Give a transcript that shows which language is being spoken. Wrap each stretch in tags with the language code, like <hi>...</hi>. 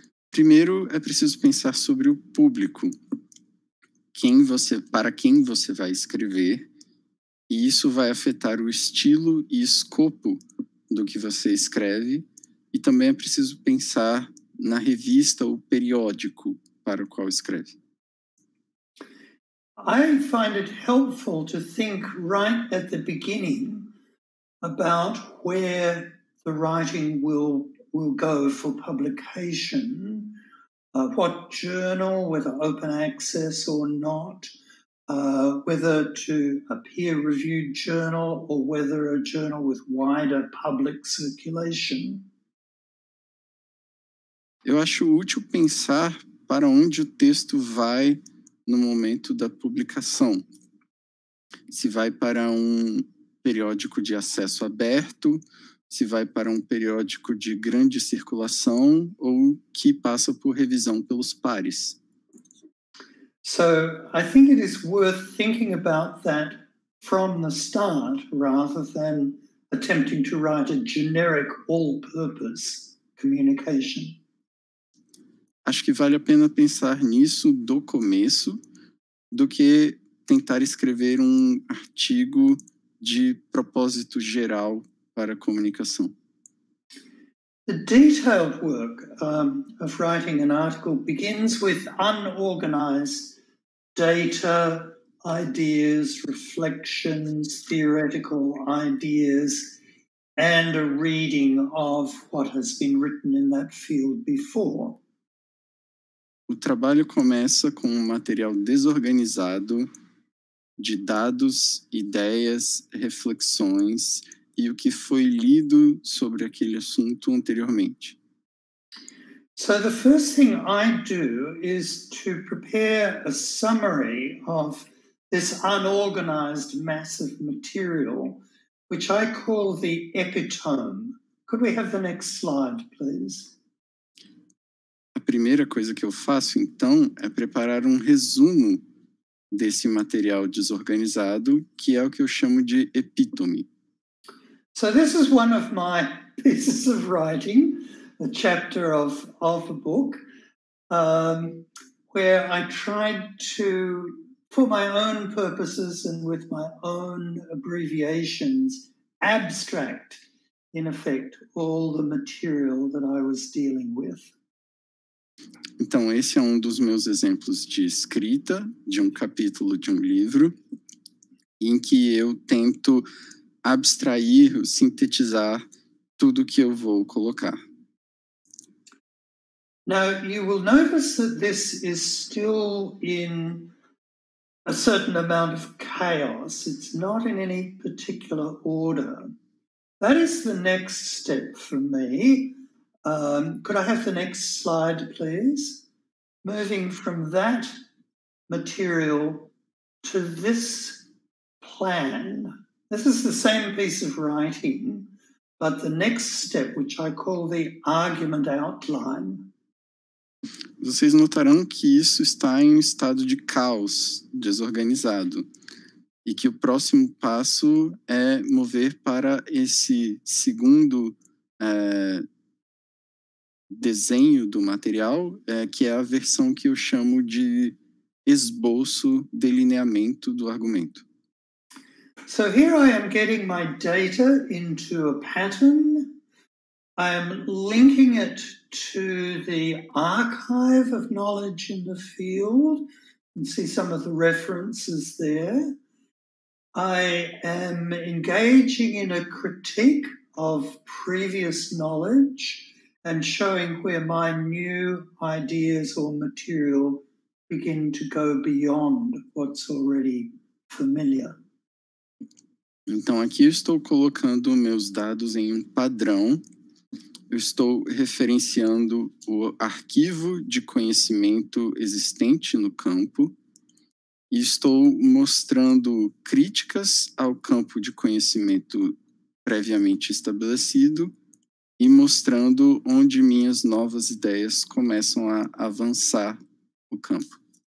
<pt>Primeiro, é preciso pensar sobre o público. Quem você, para quem você vai escrever, e isso vai afetar o estilo e escopo do que você escreve, e também é preciso pensar na revista ou periódico para o qual escreve.</pt> <en>I find it helpful to think right at the beginning about where the writing will go for publication, what journal, whether open access or not, whether to a peer-reviewed journal or whether a journal with wider public circulation.</en> <pt>Eu acho útil pensar para onde o texto vai no momento da publicação. Se vai para um periódico de acesso aberto, se vai para um periódico de grande circulação ou que passa por revisão pelos pares.</pt> <en>So, I think it is worth thinking about that from the start rather than attempting to write a generic all-purpose communication.</en> <pt>Acho que vale a pena pensar nisso do começo do que tentar escrever um artigo de propósito geral para a comunicação.</pt> <en>The detailed work of writing an article begins with unorganized data, ideas, reflections, theoretical ideas, and a reading of what has been written in that field before.</en> <pt>O trabalho começa com um material desorganizado de dados, ideias, reflexões e o que foi lido sobre aquele assunto anteriormente.</pt> <en>So the first thing I do is to prepare a summary of this unorganized mass of material, which I call the epitome. Could we have the next slide, please?</en> <pt>A primeira coisa que eu faço, então, é preparar um resumo desse material desorganizado, que é o que eu chamo de epítome.</pt> <en>So this is one of my pieces of writing, a chapter of a book, where I tried to, for my own purposes and with my own abbreviations, abstract, in effect, all the material that I was dealing with.</en> <pt>Então, esse é um dos meus exemplos de escrita, de um capítulo de um livro, em que eu tento abstrair, sintetizar tudo que eu vou colocar.</pt> <en>Now, you will notice that this is still in a certain amount of chaos. It's not in any particular order. That is the next step for me. Could I have the next slide, please? Moving from that material to this plan. This is the same piece of writing, but the next step, which I call the argument outline.</en> <pt>Vocês notarão que isso está em estado de caos, desorganizado, e que o próximo passo é mover para esse segundo desenho do material, que é a versão que eu chamo de esboço, delineamento do argumento.</pt> <en>So here I am getting my data into a pattern. I am linking it to the archive of knowledge in the field. You can see some of the references there. I am engaging in a critique of previous knowledge and showing where my new ideas or material begin to go beyond what's already familiar.</en> <pt>Então, aqui eu estou colocando meus dados em um padrão. eu estou referenciando o arquivo de conhecimento existente no campo e estou mostrando críticas ao campo de conhecimento previamente estabelecido e mostrando onde minhas novas ideias começam a avançar o campo.</pt>